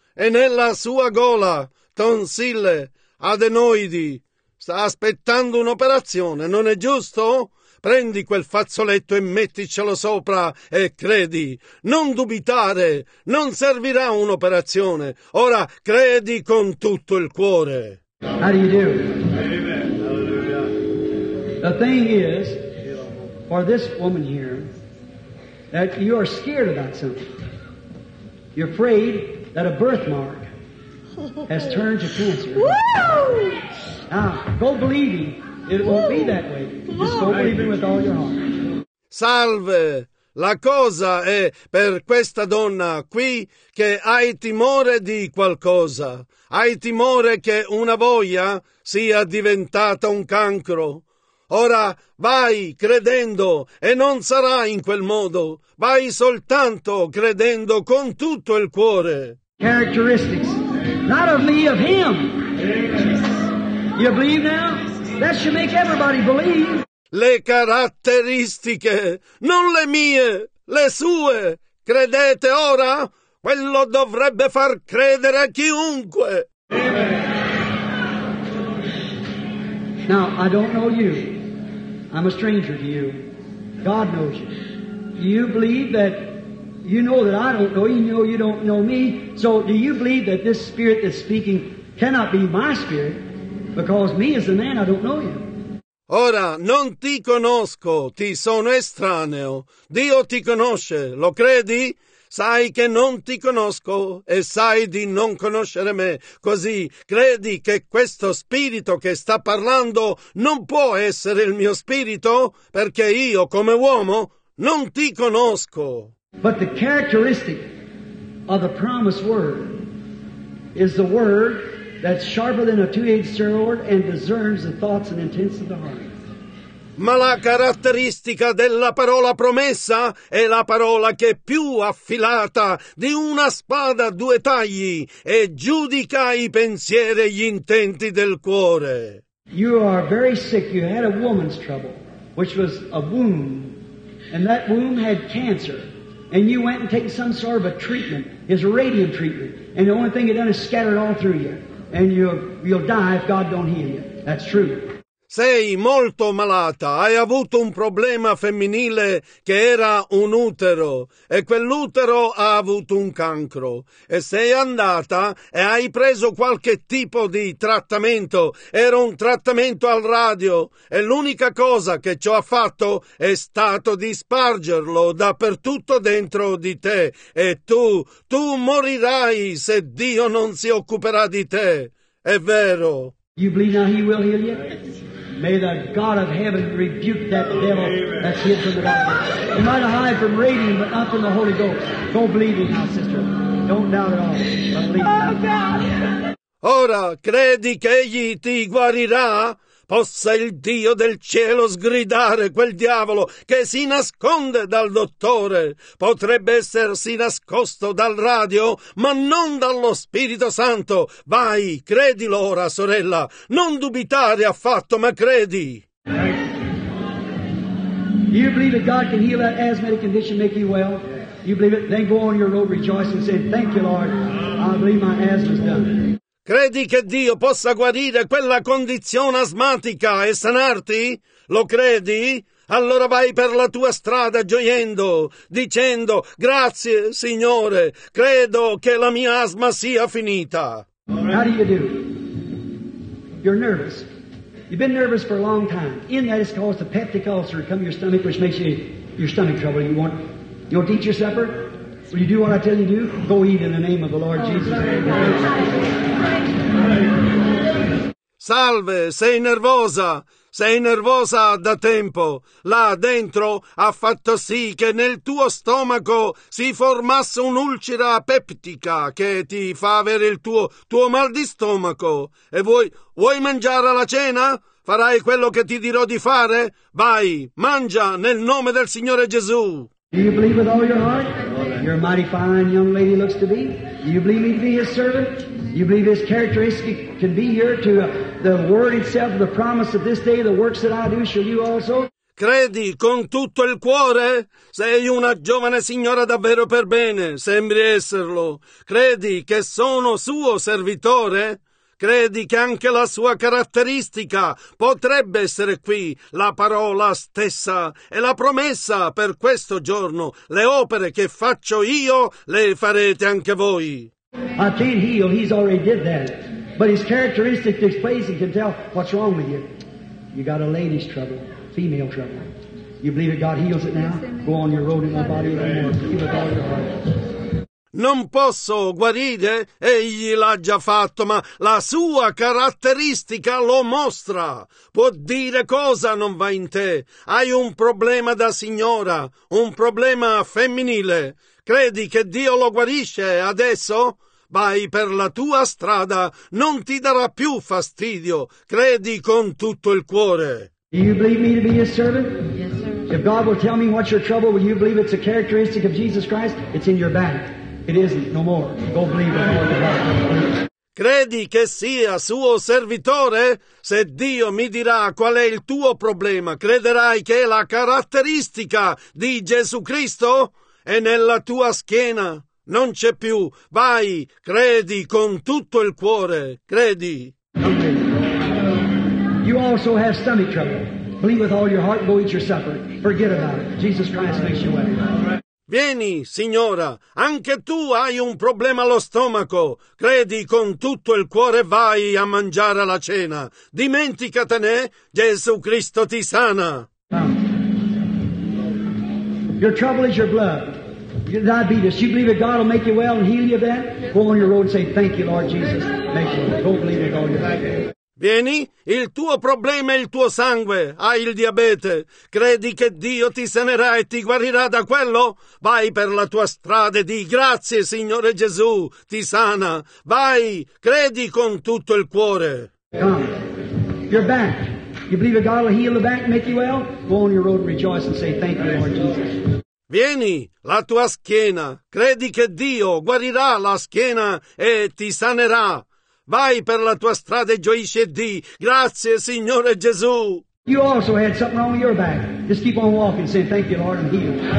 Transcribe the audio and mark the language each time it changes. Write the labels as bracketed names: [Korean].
[Italian] E nella sua gola, tonsille, adenoidi, sta aspettando un'operazione, non è giusto? Prendi quel fazzoletto e metticelo sopra e credi. Non dubitare, non servirà un'operazione. Ora credi con tutto il cuore. [English] How do you do? Amen. Hallelujah. The thing is, for this woman here, that you are scared about something. You're afraid that a birthmark has turned to cancer. Woo! Now, go believing. It won't be that way. Just go believing with all your heart. [Italian] Salve! La cosa è per questa donna qui che hai timore di qualcosa. Hai timore che una voglia sia diventata un cancro. Ora vai credendo e non sarà in quel modo. Vai soltanto credendo con tutto il cuore. [English] Characteristics. Not of me, of him. You believe now? That should make everybody believe. [Italian] Le caratteristiche, non le mie, le sue. Credete ora? Quello dovrebbe far credere a chiunque. [English] Now, I don't know you. I'm a stranger to you. God knows you. You believe that, you know that I don't know you, you know you don't know me. So do you believe that this spirit that's speaking cannot be my spirit? Because me as a man, I don't know you. [Italian] Ora, non ti conosco, ti sono estraneo. Dio ti conosce, lo credi? sai che non ti conosco e sai di non conoscere me. Così credi che questo spirito che sta parlando non può essere il mio spirito? Perché io, come uomo, non ti conosco. [English] But the characteristic of the promised word is the word that's sharper than a two-edged sword and discerns the thoughts and intents of the heart. [Italian] Ma la caratteristica della parola promessa è la parola che è più affilata di una spada a due tagli e giudica i pensieri e gli intenti del cuore. [English] You are very sick. You had a woman's trouble, which was a womb, and that womb had cancer. And you went and take some sort of a treatment, it's a radium treatment, and the only thing it done is scatter it all through you. And you'll die if God don't heal you. That's true. [Italian] Sei molto malata, hai avuto un problema femminile che era un utero e quell'utero ha avuto un cancro e sei andata e hai preso qualche tipo di trattamento, era un trattamento al radio e l'unica cosa che ciò ha fatto è stato di spargerlo dappertutto dentro di te e tu morirai se Dio non si occuperà di te, è vero. [English] You believe now he will heal you? May the God of heaven rebuke that devil that's hid from the doctor. You might have hide from radium, but not from the Holy Ghost. Don't believe it now, sister. Don't doubt it all. But believe it. Oh, God. [Italian] Ora, credi che egli ti guarirà? Possa il Dio del cielo sgridare quel diavolo che si nasconde dal dottore. Potrebbe essersi nascosto dal radio, ma non dallo Spirito Santo. Vai, credilo ora, sorella. Non dubitare affatto, ma credi. [English] You believe that God can heal that asthmatic condition, make you well? You believe it? Then go on your road rejoicing and say, thank you, Lord. I believe my asthma's done. [Italian] Credi che Dio possa guarire quella condizione asmatica e sanarti? Lo credi? Allora vai per la tua strada gioiendo, dicendo, grazie, Signore, credo che la mia asma sia finita. [English] How do you do? You're nervous. You've been nervous for a long time. In that it's caused a peptic ulcer to come to your stomach, which makes your stomach trouble. You'll eat your supper? Will you do what I tell you to do? Go eat in the name of the Lord Jesus. [Italian] Salve, sei nervosa. Sei nervosa da tempo. Là dentro ha fatto sì che nel tuo stomaco si formasse un'ulcera peptica che ti fa avere il tuo mal di stomaco. E vuoi mangiare alla cena? Farai quello che ti dirò di fare? Vai, mangia nel nome del Signore Gesù. [English] Do you believe with all your heart? You're a mighty fine young lady looks to be. Do you believe me to be his servant? You believe his characteristic can be here to the word itself, the promise of this day, the works that I do, shall you also? [Italian] Credi con tutto il cuore? Sei una giovane signora davvero per bene, sembri esserlo. Credi che sono suo servitore? Credi che anche la sua caratteristica potrebbe essere qui, la parola stessa e la promessa per questo giorno. Le opere che faccio io le farete anche voi. [English] I can't heal, he's already did that. But his characteristic displays and can tell what's wrong with you. You got a lady's trouble, female trouble. You believe that God heals it now? Go on your road in my body and heal it all your heart. [Italian] Non posso guarire, egli l'ha già fatto, ma la sua caratteristica lo mostra. Può dire cosa non va in te. Hai un problema da signora, un problema femminile. Credi che Dio lo guarisce adesso? Vai per la tua strada, non ti darà più fastidio. Credi con tutto il cuore. [English] Do you believe me to be your servant? Yes, sir. If God will tell me what's your trouble, will you believe it's a characteristic of Jesus Christ? It's in your back. It isn't, no more. Go believe it. [Italian] Credi che sia suo servitore? Se Dio mi dirà qual è il tuo problema, crederai che è la caratteristica di Gesù Cristo? È nella tua schiena. Non c'è più. Vai, credi con tutto il cuore. Credi. [English] You also have stomach trouble. Believe with all your heart, go eat your supper. Forget about it. Jesus Christ makes you well. [Italian] Vieni, signora, anche tu hai un problema allo stomaco. Credi con tutto il cuore, vai a mangiare la cena. Dimenticatene, Gesù Cristo ti sana. [English] Your trouble is your blood. Your diabetes. You believe that God will make you well and heal you of that? Go on your road and say, thank you, Lord Jesus. Make you well. Don't believe it on your back. [Italian] Vieni, il tuo problema è il tuo sangue, hai il diabete, credi che Dio ti sanerà e ti guarirà da quello? Vai per la tua strada e di grazie, Signore Gesù, ti sana, vai, credi con tutto il cuore. [English] Come, your back, you believe that God will heal the back and make you well? Go on your road and rejoice and say thank you, Lord Jesus. [Italian] Vieni, la tua schiena, credi che Dio guarirà la schiena e ti sanerà. Vai per la tua strada e gioisci e di grazie, Signore Gesù. [English] You also had something wrong with your back. Just keep on walking, saying thank you, Lord, and heal.